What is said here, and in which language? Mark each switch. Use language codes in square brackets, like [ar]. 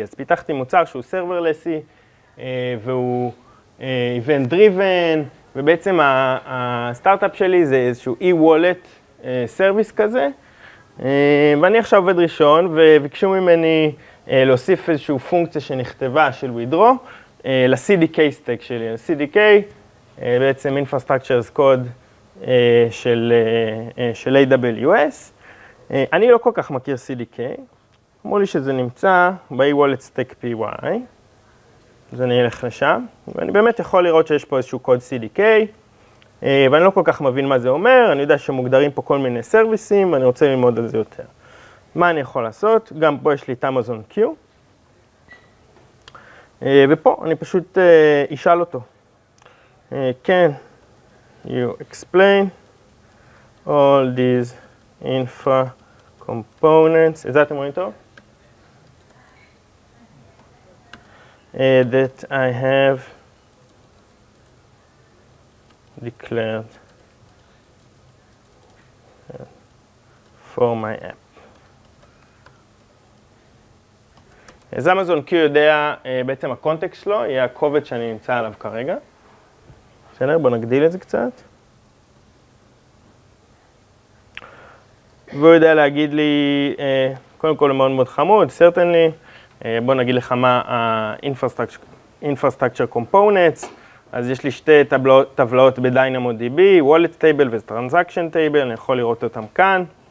[he] אז פיתחתי מוצר שהוא serverless-y, והוא event driven, ובעצם הסטארט-אפ שלי זה איזשהו e-wallet service כזה, ואני עכשיו עובד ראשון, וביקשו ממני להוסיף איזשהו פונקציה שנכתבה של withdraw ל-CDK stack שלי. ה-CDK בעצם infrastructures code של AWS. אני לא כל כך מכיר CDK, אמרו לי שזה נמצא ב-e-wallet stack py, אז אני אלך לשם, ואני באמת יכול לראות שיש פה איזשהו קוד CDK, ואני לא כל כך מבין מה זה אומר, אני יודע שמוגדרים פה כל מיני סרוויסים, ואני רוצה ללמוד על זה יותר. מה אני יכול לעשות? גם פה יש לי את Amazon Q. ופה אני פשוט אשאל אותו. [en] Can you explain all these infra components? Is that a monitor? That I have declared for my app. [he] אז Amazon Q יודע בעצם הקונטקסט שלו, יהיה הקובץ שאני נמצא עליו כרגע. בסדר? בוא נגדיל את זה קצת. והוא יודע להגיד לי, קודם כל מאוד מאוד חמוד, certainly, בוא נגיד לך מה ה-infrastructure components, אז יש לי שתי טבלאות ב-DynamoDB, wallet table ו-transaction table, אני יכול לראות אותם כאן.